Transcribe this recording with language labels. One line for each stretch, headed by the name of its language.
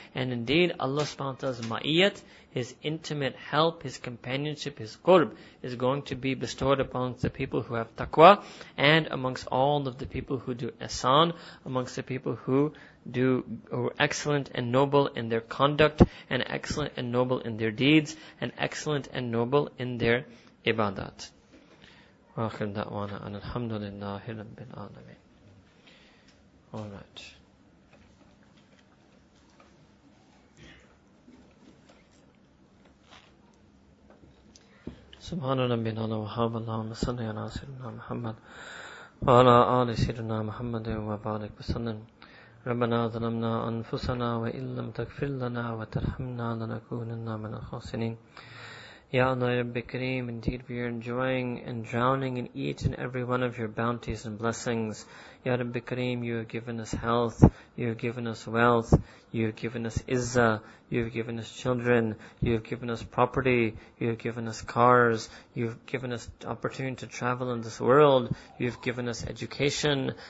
English: And indeed, Allah subhanahu wa ta'ala's ma'iyat, His intimate help, His companionship, His qurb, is going to be bestowed amongst the people who have taqwa, and amongst all of the people who do ihsan, amongst the people who are excellent and noble in their conduct, and excellent and noble in their deeds, and excellent and noble in their ibadat.
Arabic: وآخر دعوانا أن الحمد لله رب العالمين.
English: Alright.
Arabic: سبحان ربنا وحمد الله وصلى على سيدنا محمد وعلى آل سيدنا محمد وبارك وسلم. ربنا ظلمنا أنفسنا وإن لم تغفر لنا وترحمنا لنكونن من الخاسرين.
English: Ya Allah, Ya Rabbi Kareem, indeed we are enjoying and drowning in each and every one of your bounties and blessings. Ya Rabbi Kareem, you have given us health, you have given us wealth, you have given us izzah, you have given us children, you have given us property, you have given us cars, you have given us opportunity to travel in this world, you have given us education.